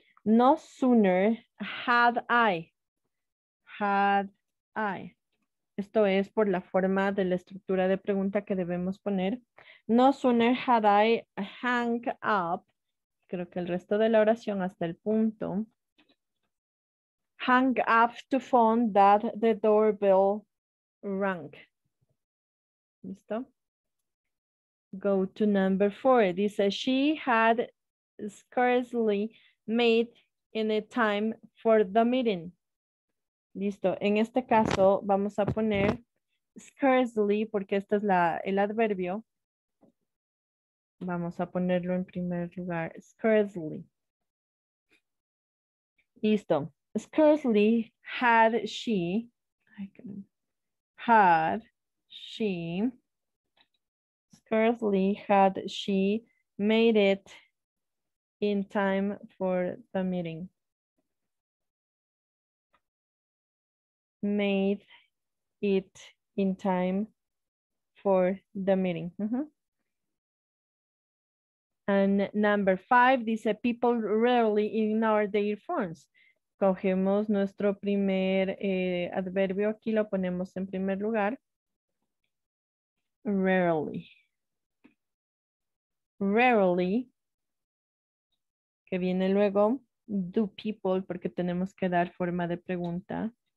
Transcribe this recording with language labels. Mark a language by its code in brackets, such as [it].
[en] No sooner had I, [es] esto es por la forma de la estructura de pregunta que debemos poner. [en] No sooner had I hung up, [es] creo que el resto de la oración hasta el punto. [en] Hung up to phone that the doorbell rang. [es] ¿Listo? [en] Go to number four. Dice, she had scarcely made any time for the meeting. [es] Listo. En este caso vamos a poner scarcely porque este es el adverbio. Vamos a ponerlo en primer lugar. Scarcely. [en] Listo. Scarcely had she. Had she. Scarcely had she made it in time for the meeting. Made it in time for the meeting. Uh-huh. And number five dice, people rarely ignore their phones. [es] Cogemos nuestro primer adverbio aquí, lo ponemos en primer lugar. [en] Rarely. [es] Rarely, que viene luego, [en] do people, [es] porque tenemos que dar forma de pregunta.